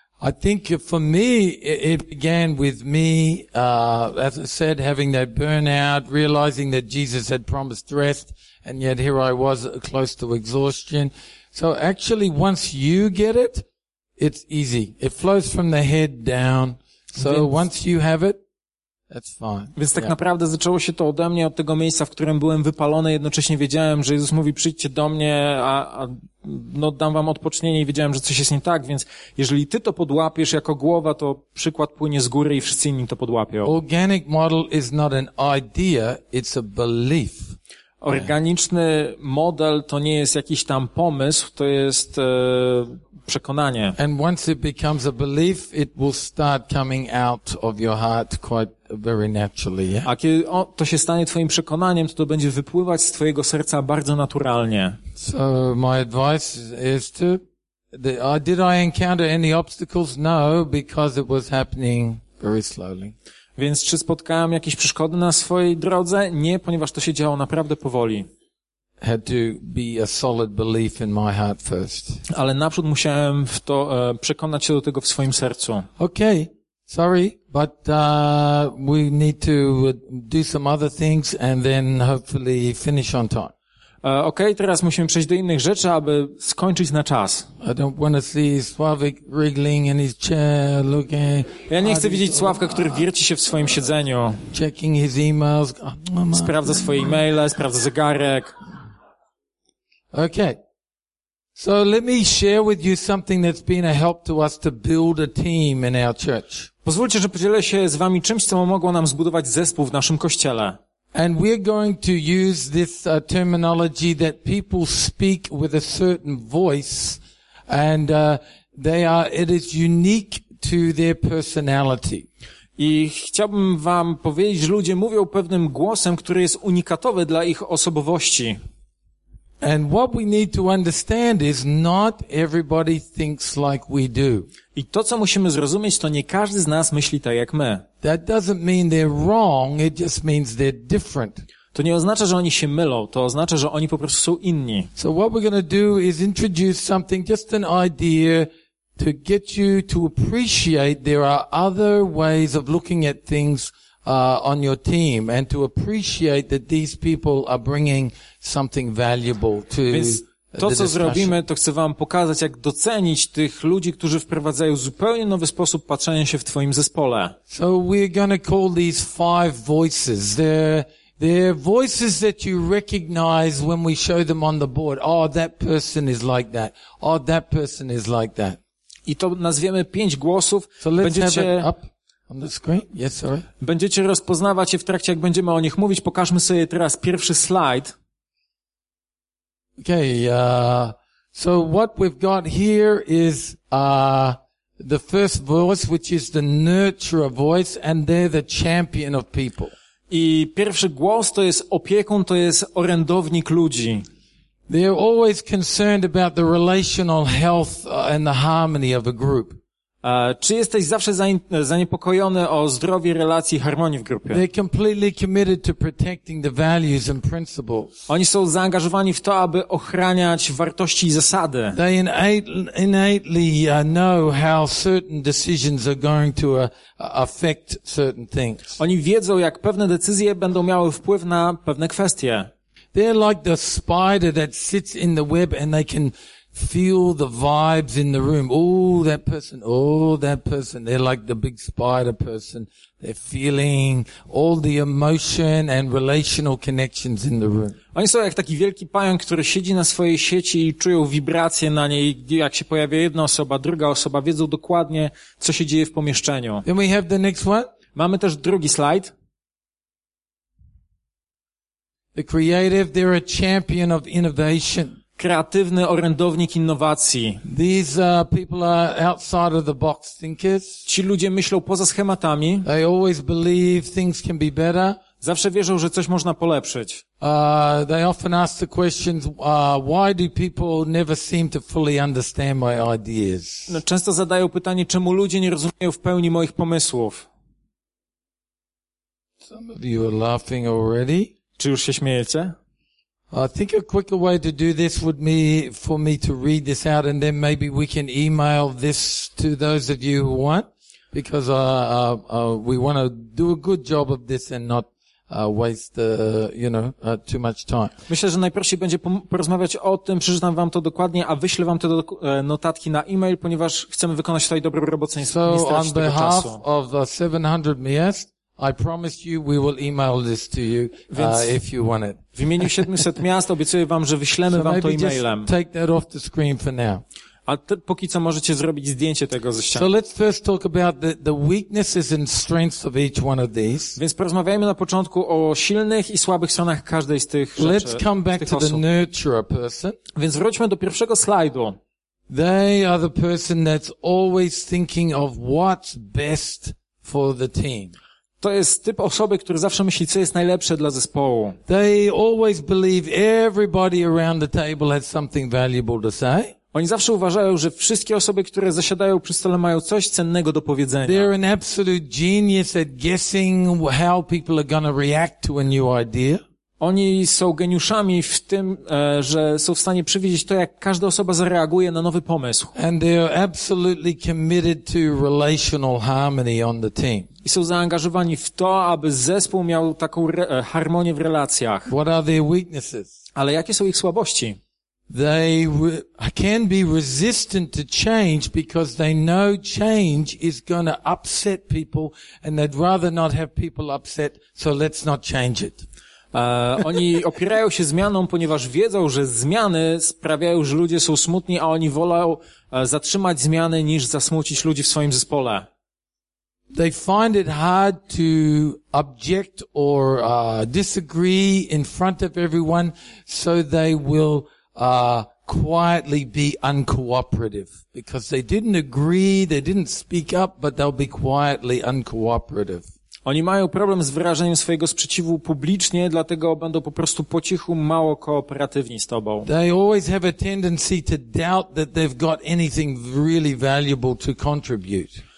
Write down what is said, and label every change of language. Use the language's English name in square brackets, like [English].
[English] I think for me, it began with me, as I said, having that burnout, realizing that Jesus had promised rest, and yet here I was close to exhaustion. So actually, once you get it, It's easy. It flows from the head down. So once you have it, that's fine. [Polish] Więc tak naprawdę zaczęło się to ode mnie, od tego miejsca, w którym byłem wypalony. Jednocześnie wiedziałem, że Jezus mówi, przyjdźcie do mnie, a dam wam odpocznienie, i wiedziałem, że coś jest nie tak, więc jeżeli ty to podłapiesz jako głowa, to przykład płynie z góry i wszyscy inni to podłapią. [English] Organic model is not an idea, it's a belief. [Polish] Organiczny model to nie jest jakiś tam pomysł, to jest przekonanie. [English] And once it becomes a belief, it will start coming out of your heart quite very naturally. Yeah? [Polish] A kiedy to się stanie twoim przekonaniem, to będzie wypływać z twojego serca bardzo naturalnie. [English] So my advice is to did I encounter any obstacles? No, because it was happening very slowly. [Polish] Więc czy spotkałem jakieś przeszkody na swojej drodze? Nie, ponieważ to się działo naprawdę powoli. [English] Had to be a solid belief in my heart first. [Polish] Ale naprzód musiałem w to przekonać się do tego w swoim sercu. [English] Okay, sorry, but we need to do some other things and then hopefully finish on time. [Polish] Okay, teraz musimy przejść do innych rzeczy, aby skończyć na czas. [English] I don't want to see Sławek wriggling in his chair, looking. [Polish] Ja nie chcę widzieć Sławka, który wierci się w swoim siedzeniu. [English] Checking his emails. [Polish] Sprawdza swoje e-maile, sprawdza zegarek. [English] Okay. So let me share with you something that's been a help to us to build a team in our church. [Polish] Pozwólcie, że podzielę się z wami czymś, co pomogło nam zbudować zespół w naszym kościele. [English] And we're going to use this terminology that people speak with a certain voice, and it is unique to their personality. [Polish] I chciałbym wam powiedzieć, że ludzie mówią pewnym głosem, który jest unikatowy dla ich osobowości. [English] And what we need to understand is not everybody thinks like we do. [Polish] I to, co musimy zrozumieć, to nie każdy z nas myśli tak jak my. [English] That doesn't mean they're wrong, it just means they're different. [Polish] To nie oznacza, że oni się mylą, to oznacza, że oni po prostu są inni. [English] So what we're going to do is introduce something, just an idea, to get you to appreciate there are other ways of looking at things on your team, and to appreciate that these people are bringing something valuable to the discussion. [Polish] To, co zrobimy, to chcę wam pokazać, jak docenić tych ludzi, którzy wprowadzają zupełnie nowy sposób patrzenia się w twoim zespole. [English] So we're gonna call these five voices. They're voices that you recognize when we show them on the board. Oh, that person is like that. Oh, that person is like that. [Polish] I to nazwiemy pięć głosów. [English] So let's have it up on the screen. Yes, sorry. [Polish] Będziecie rozpoznawać je w trakcie, jak będziemy o nich mówić. Pokażmy sobie teraz pierwszy slajd. [English] Okay, so what we've got here is the first voice, which is the nurturer voice, and they're the champion of people. [Polish] I pierwszy głos to jest opiekun, to jest orędownik ludzi. [English] They're always concerned about the relational health and the harmony of a group. [Polish] Czy jesteś zawsze zaniepokojony o zdrowie, relacji, harmonii w grupie? [English] They're completely committed to protecting the values and principles. [Polish] Oni są zaangażowani w to, aby ochraniać wartości i zasady. [English] They innately know how certain decisions are going to affect certain things. [Polish] Oni wiedzą, jak pewne decyzje będą miały wpływ na pewne kwestie. [English] They're like the spider that sits in the web and they can feel the vibes in the room. Oh, that person. They're like the big spider person. They're feeling all the emotion and relational connections in the room. [Polish] Oni są jak taki wielki pająk, który siedzi na swojej sieci i czują wibracje na niej. Jak się pojawia jedna osoba, druga osoba, wiedzą dokładnie, co się dzieje w pomieszczeniu. [English] Then we have the next one. [Polish] Mamy też drugi slajd. [English] The creative, they're a champion of innovation. [Polish] Kreatywny orędownik innowacji. [English] These people are outside of the box thinkers. [Polish] Ci ludzie myślą poza schematami. [English] They always believe things can be better. [Polish] Zawsze wierzą, że coś można polepszyć. [English] They often ask the questions, why do people never seem to fully understand my ideas? [Polish] No, często zadają pytanie, czemu ludzie nie rozumieją w pełni moich pomysłów. [English] Some of you are laughing already. [Polish] Czy już się śmiejecie? [English] I think a quicker way to do this would be for me to read this out, and then maybe we can email this to those of you who want, because we want to do a good job of this and not waste you know too much time. [Polish] Myślę, że najprościej będzie porozmawiać o tym, przeczytam wam to dokładnie, a wyślę wam te notatki na e-mail, ponieważ chcemy wykonać tutaj dobrą robotę, nie stracić tego czasu. [English] So on behalf of the 700 miast, I promise you we will email this to you if you want it. [Polish] W imieniu 700 miast obiecuję wam, że wyślemy [English] so [Polish] wam to e-mailem. [English] Just take that off the screen for now. [Polish] A ty, póki co możecie zrobić zdjęcie tego ze ściany. [English] So let's first talk about the weaknesses and strengths of each one of these. [Polish] Więc porozmawiajmy na początku o silnych i słabych stronach każdej z tych rzeczy. [English] Let's come back to the nurturer person. [Polish] Więc wróćmy do pierwszego slajdu. [English] They are the person that's always thinking of what's best for the team. [Polish] To jest typ osoby, który zawsze myśli, co jest najlepsze dla zespołu. [English] They always believe everybody around the table has something valuable to say. [Polish] Oni zawsze uważają, że wszystkie osoby, które zasiadają przy stole, mają coś cennego do powiedzenia. [English] They're an absolute genius at guessing how people are going to react to a new idea. [Polish] Oni są geniuszami w tym, że są w stanie przewidzieć to, jak każda osoba zareaguje na nowy pomysł. [English] And they're absolutely committed to relational harmony on the team. [Polish] I są zaangażowani w to, aby zespół miał taką harmonię w relacjach. [English] What are their weaknesses? [Polish] Ale jakie są ich słabości? [English] They can be resistant to change because they know change is going to upset people and they'd rather not have people upset, so let's not change it. [Polish] Oni opierają się zmianom, ponieważ wiedzą, że zmiany sprawiają, że ludzie są smutni, a oni wolą zatrzymać zmiany niż zasmucić ludzi w swoim zespole. [English] They find it hard to object or disagree in front of everyone, so they will quietly be uncooperative because they didn't agree, they didn't speak up, but they'll be quietly uncooperative. [Polish] Oni mają problem z wyrażeniem swojego sprzeciwu publicznie, dlatego będą po prostu po cichu mało kooperatywni z tobą. [English] They always have a tendency to doubt that they've got anything really valuable to contribute.